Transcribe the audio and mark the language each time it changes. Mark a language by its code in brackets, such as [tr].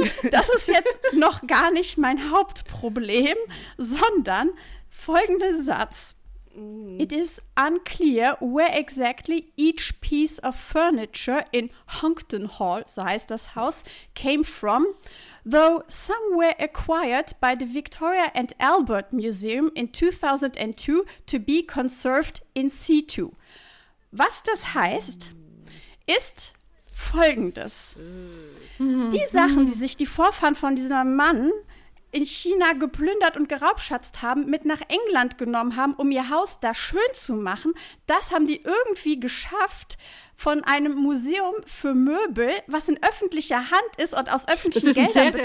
[de] das ist jetzt noch gar nicht mein Hauptproblem, sondern folgender Satz. [en] It is unclear where exactly each piece of furniture in Hunkton Hall, [de] so heißt das Haus, [en] came from, though some were acquired by the Victoria and Albert Museum in 2002 to be conserved in situ. [de] Was das heißt, ist folgendes. Die Sachen, die sich die Vorfahren von diesem Mann in China geplündert und geraubschatzt haben, mit nach England genommen haben, um ihr Haus da schön zu machen, das haben die irgendwie geschafft von einem Museum für Möbel, was in öffentlicher Hand ist und aus öffentlichen Geldern bezahlt wird.